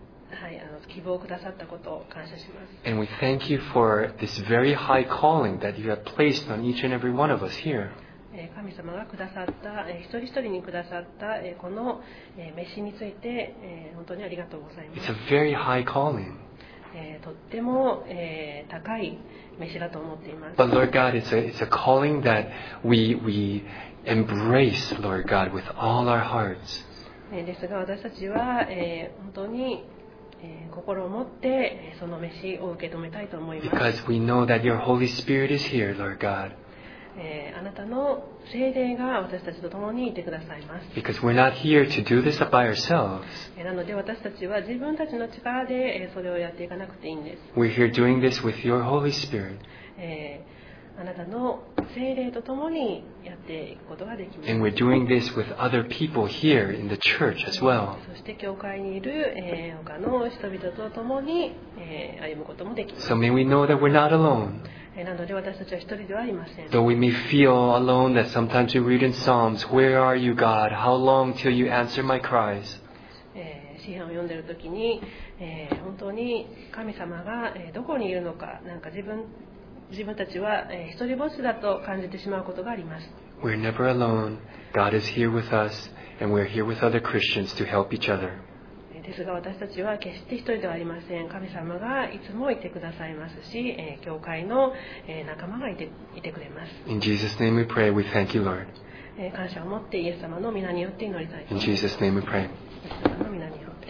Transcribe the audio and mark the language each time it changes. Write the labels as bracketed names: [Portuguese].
[Japanese] はい、希望をくださったことを感謝します。 [English] And we thank you for this very high calling that you have placed on each and every one of us here. [Japanese] 神様がくださった、一人一人にくださった、この、召しについて、本当にありがとうございます。 [English] It's a very high calling. [Japanese] とっても、高い召しだと思っています。 [English] But Lord God, it's a calling that we embrace, Lord God, with all our hearts. [Japanese] ですが私たちは、本当に心を持ってその召しを受け止めたいと思います。 [English] Because we know that your Holy Spirit is here, Lord God. [Japanese] あなたの聖霊が私たちと共にいてくださいます。 [English] Because we're not here to do this by ourselves. [Japanese] なので私たちは自分たちの力でそれをやっていかなくていいんです。 [English] We're here doing this with your Holy Spirit. [Japanese] あなたの聖霊と共にやっていくことができます。 [English] And we're doing this with other people here in the church as well. [Japanese] そして教会にいる、他の人々と共に、歩むこともできます。 [English] So may we know that we're not alone. [Japanese] なので私たちは一人ではありません。 [English] Though we may feel alone that sometimes we read in Psalms, Where are you, God? How long till you answer my cries? [Japanese] 詩編を読んでいるときに、本当に神様が、どこにいるのか、なんか自分たちは、一人ぼっちだと感じてしまうことがあります。 [English] We're never alone. God is here with us, and we're here with other Christians to help each other. [Japanese] ですが私たちは決して一人ではありません。神様がいつもいてくださいますし、教会の、仲間がいてくれます。 [English] In Jesus' name we pray. We thank you, Lord. [Japanese] 感謝を持ってイエス様の御名によって祈りたいと思います。 [English] In Jesus' name we pray. [Japanese] イエス様の御名によって。